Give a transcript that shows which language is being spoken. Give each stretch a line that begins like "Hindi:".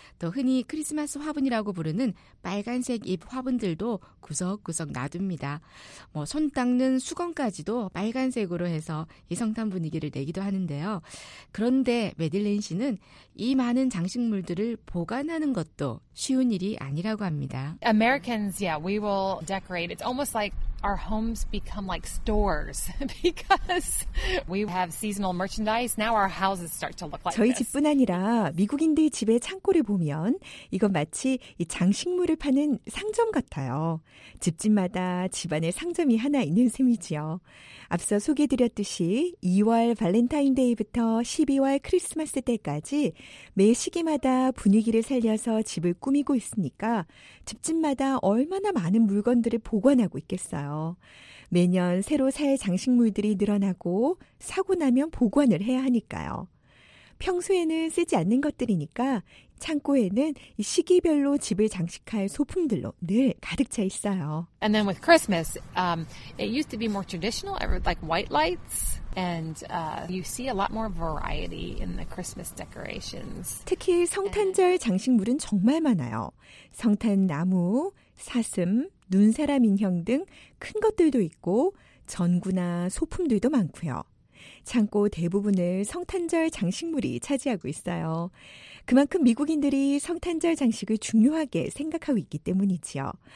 Korean: 또 흔히 크리스마스 화분이라고 부르는 빨간색 잎 화분들도 구석구석 놔둡니다. 뭐 손 닦는 수건까지도 빨간색으로 해서 이 성탄 분위기를 내기도 하는데요. 그런데 메들린 씨는 이 많은 장식물들을 보관하는 것도 쉬운 일이 아니라고 합니다.
English: Americans, yeah, we will decorate. It's almost like our homes become like stores because we have seasonal merchandise. Now our houses start to look like
Korean: 저희
English: this.
Korean: 집뿐 아니라 미국인들 집의 창고를 보면 이건 마치 이 장식물을 파는 상점 같아요. 집집마다 집안에 상점이 하나 있는 셈이지요. 앞서 소개해드렸듯이 2월 발렌타인데이부터 12월 크리스마스 때까지 매 시기마다 분위기를 살려서 집을 꾸미고 있으니까 집집마다 얼마나 많은 물건들을 보관하고 있겠어요. 매년 새로 살 장식물들이 늘어나고 사고 나면 보관을 해야 하니까요. 평소에는 쓰지 않는 것들이니까 창고에는 시기별로 집을 장식할 소품들로 늘 가득 차 있어요.
English: And then with Christmas, it used to be more traditional, like white lights, and you see a lot more variety in the Christmas decorations.
Korean: 특히 성탄절 장식물은 정말 많아요. 성탄나무, 사슴, 눈사람 인형 등 큰 것들도 있고 전구나 소품들도 많고요. 창고 대부분을 성탄절 장식물이 차지하고 있어요. 그만큼 미국인들이 성탄절 장식을 중요하게 생각하고 있기 때문이지요.